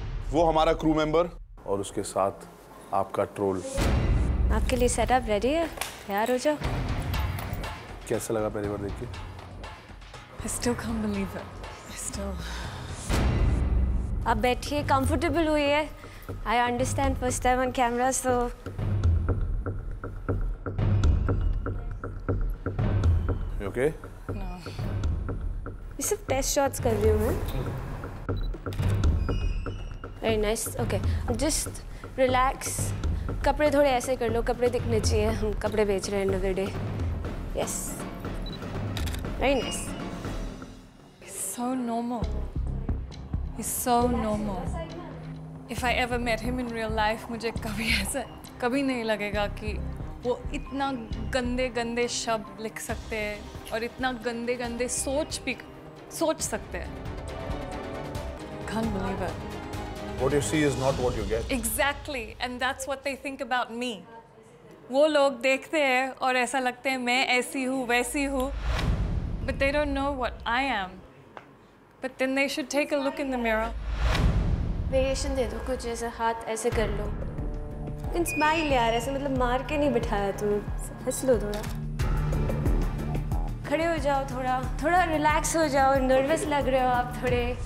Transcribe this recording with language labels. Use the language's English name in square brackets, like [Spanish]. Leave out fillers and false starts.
[Hindi] वो हमारा crew member और उसके साथ आपका ट्रोल। आपके लिए सेटअप रेडी है, तैयार हो जाओ। कैसा लगा पहली बार देख के? [English] I still can't believe it. [Hindi] अब बैठिए, कंफर्टेबल होइए। [English] I understand first time on camera, so. You okay? No. [Hindi] ये सब टेस्ट शॉट्स कर रही हूँ मैं। [English] Very nice. Okay. Just relax. [Hindi] कपड़े थोड़े ऐसे कर लो, कपड़े दिखने चाहिए, हम कपड़े बेच रहे हैं [English] end of the day. Yes. Very nice. So normal. He's so normal. If I ever met him in real life, [Hindi] मुझे कभी ऐसा कभी नहीं लगेगा कि वो इतना गंदे गंदे शब्द लिख सकते हैं और इतना गंदे गंदे सोच सकते हैं. [English] Can't believe it. What you see is not what you get. Exactly, and that's what they think about me. [Hindi] वो लोग देखते हैं और ऐसा लगते हैं मैं ऐसी हूँ वैसी हूँ, [English] but they don't know what I am. But then they should take a look in the mirror. [Hindi] Variation दे दो कुछ, ऐसे हाथ ऐसे कर लो. इन स्माइल यार, ऐसे मतलब मार के नहीं बिठाया तुम्हें, हंस लो थोड़ा. खड़े हो जाओ थोड़ा, थोड़ा रिलैक्स हो जाओ, नर्वस लग रहे हो आप थोड़े.